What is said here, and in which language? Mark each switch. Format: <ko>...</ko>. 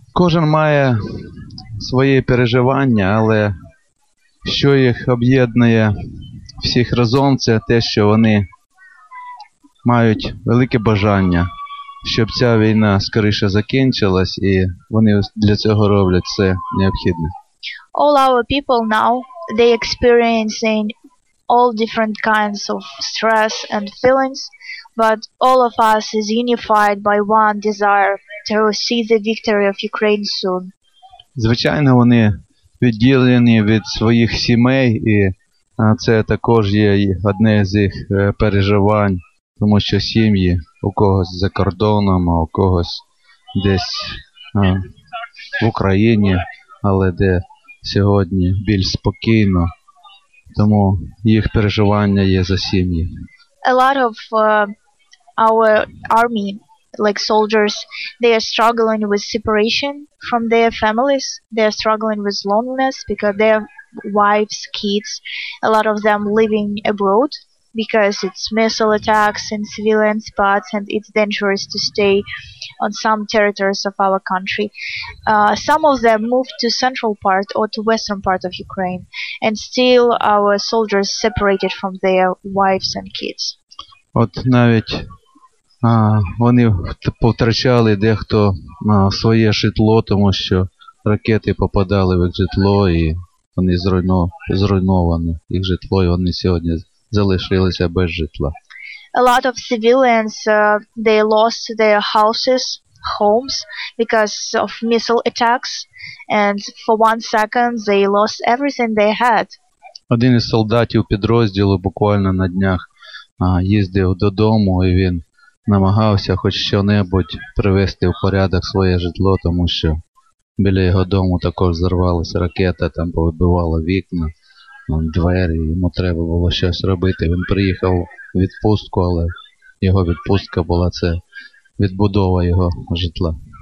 <uk>Кожен має свої переживання, але що їх об'єднує всіх разом, це те, що вони мають велике бажання, щоб ця війна скоріше закінчилась, і вони для цього роблять все необхідне.</uk> <en>All our people now, they experiencing all different kinds of stress and feelings, but all of us is unified by one desire to see the victory of Ukraine soon.</en> <uk>Звичайно, вони відділені від своїх сімей, і це також є одне з їх переживань, тому що сім'ї у когось за кордоном, а у когось десь в Україні, але де сьогодні більш спокійно. Тому їх переживання є за сім'ї.</uk> <en>A lot of our army, like soldiers, they are struggling with separation from their families. They are struggling with loneliness because their wives, kids, a lot of them living abroad because it's missile attacks in civilian spots and it's dangerous to stay on some territories of our country. Some of them moved to central part or to western part of Ukraine, and still our soldiers separated from their wives and kids.</en> <uk>От навіть вони втрачали дехто своє житло, тому що ракети попадали в їх житло, і вони зруйновані, їх житло, і вони сьогодні залишилися без житла.</uk> <en>A lot of civilians, they lost their houses, homes, because of missile attacks, and for one second they lost everything they had.</en> <uk>Один із солдатів підрозділу буквально на днях їздив додому, і він намагався хоч що-небудь привести в порядок своє житло, тому що біля його дому також взорвалася ракета, там повибивало вікна, двері, йому треба було щось робити. Він приїхав у відпустку, але його відпустка була це відбудова його житла.</uk>